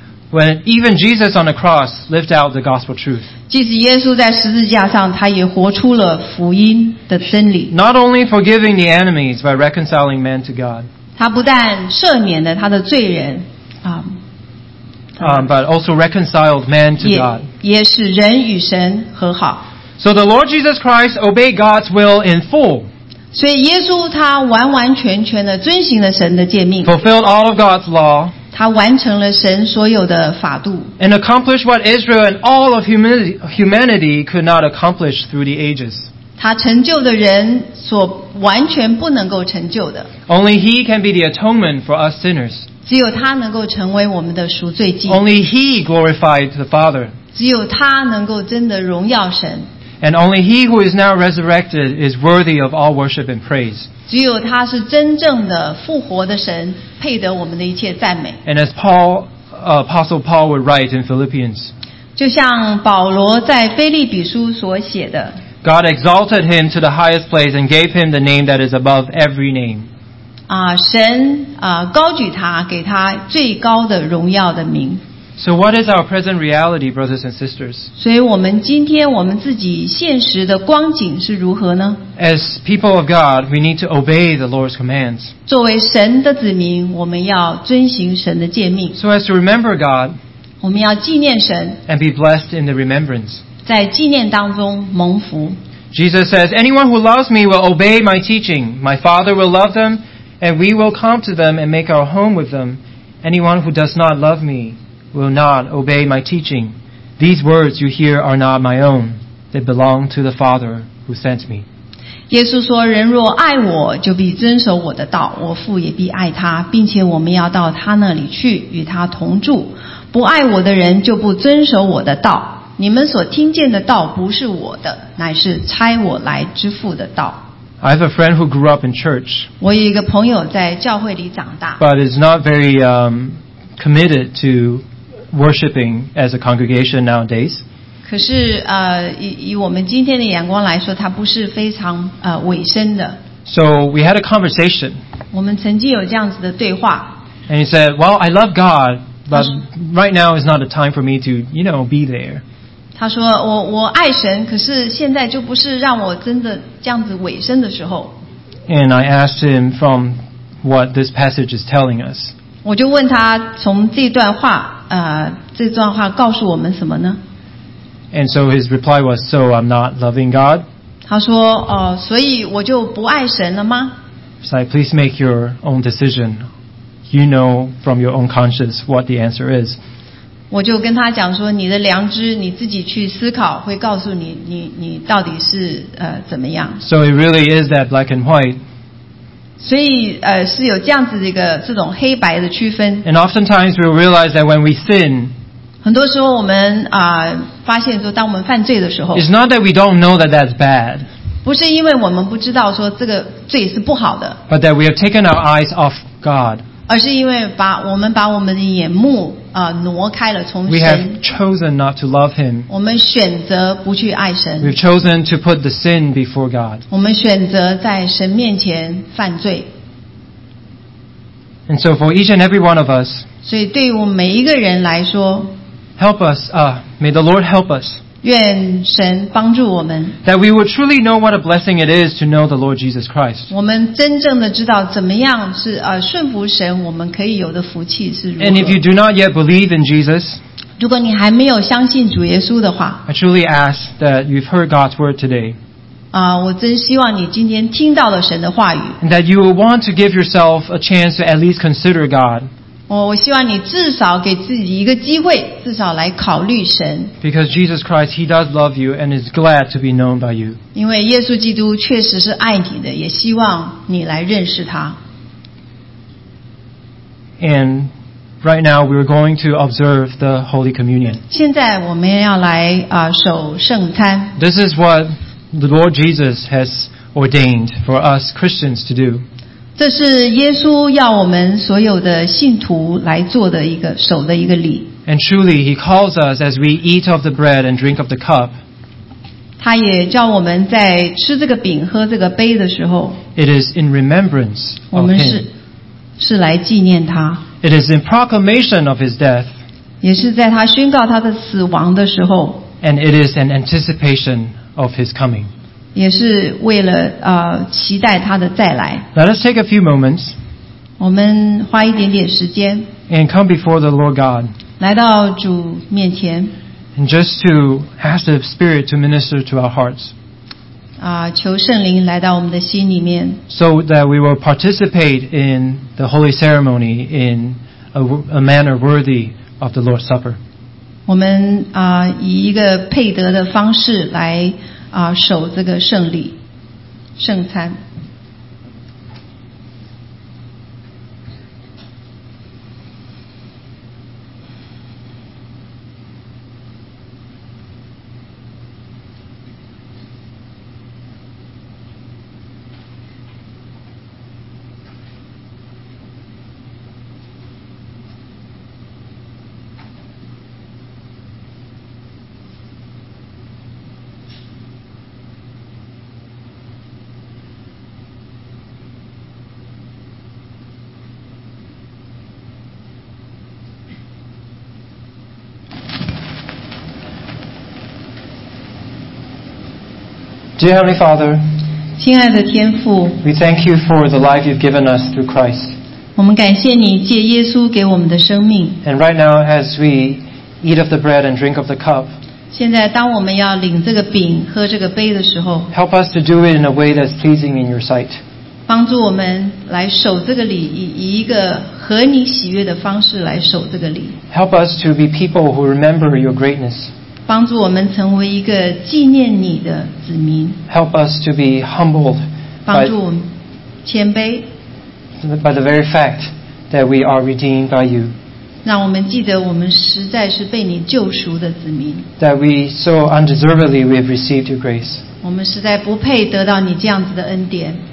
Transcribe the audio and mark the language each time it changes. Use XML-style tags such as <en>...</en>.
<en>When even Jesus on the cross lived out the gospel truth.</en> <zh>即使耶稣在十字架上，他也活出了福音的真理。</zh> <en>Not only forgiving the enemies by reconciling man to God.</en> <zh>他不但赦免了他的罪人，</zh> <en>But also reconciled man to God.</en> <zh>也使人与神和好。</zh> <en>So the Lord Jesus Christ obeyed God's will in full.</en> <zh>所以耶稣他完完全全的遵行了神的诫命。</zh> <en>Fulfilled all of God's law.</en> <zh>他完成了神所有的法度。</zh> <en>And accomplished what Israel and all of humanity could not accomplish through the ages.</en> <zh>他成就的人所完全不能够成就的。</zh> <en>Only he can be the atonement for us sinners.</en> <zh>只有他能够成为我们的赎罪祭。</zh> <en>Only he glorified the Father.</en> <zh>只有他能够真的荣耀神。</zh> <en>And only he who is now resurrected is worthy of all worship and praise.</en> <zh>只有他是真正的复活的神，配得我们的一切赞美。</zh> <en>And as Paul, Apostle Paul would write in Philippians.</en> <zh>就像保罗在腓立比书所写的。</zh> <en>God exalted him to the highest place and gave him the name that is above every name.</en> <zh>神高举他，给他最高的荣耀的名。</zh> <en>So what is our present reality, brothers and sisters?</en> <zh>所以我们今天我们自己现实的光景是如何呢？</zh> <en>As people of God, we need to obey the Lord's commands.</en> <zh>作为神的子民，我们要遵行神的诫命。</zh> <en>So as to remember God.</en> <zh>我们要纪念神。</zh> <en>And be blessed in the remembrance.</en> <zh>在纪念当中蒙福。</zh> <en>Jesus says, anyone who loves me will obey my teaching. My Father will love them. And we will come to them and make our home with them. Anyone who does not love me will not obey my teaching. These words you hear are not my own. They belong to the Father who sent me.</en> <zh>耶稣说，人若爱我，就必遵守我的道，我父也必爱他，并且我们要到他那里去，与他同住。不爱我的人就不遵守我的道。你们所听见的道不是我的，乃是差我来之父的道。</zh> <en>I have a friend who grew up in church.</en> <zh>我有一个朋友在教会里长大。</zh> <en>But is not very committed to worshiping as a congregation nowadays.</en> <zh>可是以我们今天的眼光来说，他不是非常委身的。</zh> <en>So we had a conversation.</en> <zh>我们曾经有这样子的对话。</zh> <en>And he said, "Well, I love God, but right now is not the time for me to, you know, be there."</en> <zh>他说我爱神，可是现在就不是让我真的这样子委身的时候。</zh> <en>And I asked him from what this passage is telling us.</en> <zh>我就问他从这段话告诉我们什么呢？</zh> <en>And so his reply was, so I'm not loving God.</en> <zh>他说所以我就不爱神了吗？</zh> <en>So please make your own decision. You know from your own conscience what the answer is.</en> <zh>我就跟他讲说，你的良知你自己去思考，会告诉你到底是怎么样。</zh> <en>So it really is that black and white.</en> <zh>所以是有这样子的一个这种黑白的区分。</zh> <en>And oftentimes we realize that when we sin,</en> <zh>很多时候我们发现说，当我们犯罪的时候</zh> <en>，It's not that we don't know that that's bad.</en> <zh>不是因为我们不知道说这个罪是不好的</zh> <en>，But that we have taken our eyes off God.</en> <zh>而是因为把我们把我们的眼目挪开了从神。</zh> <en>We have chosen not to love him.</en> <zh>我们选择不去爱神。</zh> <en>We've chosen to put the sin before God.</en> <zh>我们选择在神面前犯罪。</zh> <en>And so for each and every one of us,</en> <zh>所以对于我们每一个人来说</zh> <en>help us, may the Lord help us.</en> <zh>愿神帮助我们</zh> <en>that we would truly know what a blessing it is to know the Lord Jesus Christ.</en> <zh>我们真正的知道怎么样是顺服神我们可以有的福气是如何</zh> <en>And if you do not yet believe in Jesus,</en> <zh>如果你还没有相信主耶稣的话</zh> <en>I truly ask that you've heard God's word today.</en> <zh>我真希望你今天听到了神的话语</zh> <en>And that you will want to give yourself a chance to at least consider God.</en> <zh>我希望你至少给自己一个机会，至少来考虑神。</zh> <en>Because Jesus Christ, He does love you and is glad to be known by you.</en> <zh>因为耶稣基督确实是爱你的，也希望你来认识他。</zh> <en>And right now we're going to observe the Holy Communion.</en> <zh>现在我们要来守圣餐。</zh> <en>This is what the Lord Jesus has ordained for us Christians to do.</en> <zh>这是耶稣要我们所有的信徒来做的一个守的一个礼。</zh> <en>And truly, he calls us as we eat of the bread and drink of the cup.</en> <zh>他也叫我们在吃这个饼喝这个杯的时候。</zh> <en>It is in remembrance of him.</en> <zh>我们是来纪念他。</zh> <en>It is in proclamation of his death.</en> <zh>也是在他宣告他的死亡的时候。</zh> <en>And it is an anticipation of his coming.</en> <zh>也是为了期待他的再来。</zh> <en>Let us take a few moments.</en> <zh>我们花一点点时间。</zh> <en>And come before the Lord God.</en> <zh>来到主面前。</zh> <en>And just to ask the Spirit to minister to our hearts.</en> <zh>求圣灵来到我们的心里面。</zh> <en>So that we will participate in the holy ceremony in a manner worthy of the Lord's Supper.</en> <zh>我们以一个配得的方式来。守这个圣礼圣餐</zh> <en>Dear Heavenly Father,</en> <zh>亲爱的天父</zh> <en>we thank you for the life you've given us through Christ.</en> <zh>我们感谢你借耶稣给我们的生命</zh> <en>And right now, as we eat of the bread and drink of the cup,</en> <zh>现在当我们要领这个饼喝这个杯的时候</zh> <en>help us to do it in a way that's pleasing in your sight.</en> <zh>帮助我们来守这个礼以一个合你喜悦的方式来守这个礼</zh> <en>help us to be people who remember your greatness.</en> <zh>帮助我们成为一个纪念你的子民。</zh> <en>Help us to be humbled.</en> <zh>帮助我们谦卑。</zh> <en>By the very fact that we are redeemed by you.</en> <zh>让我们记得我们实在是被你救赎的子民。</zh> <en>That we so undeservedly we have received your grace.</en> <zh>我们实在不配得到你这样子的恩典。</zh>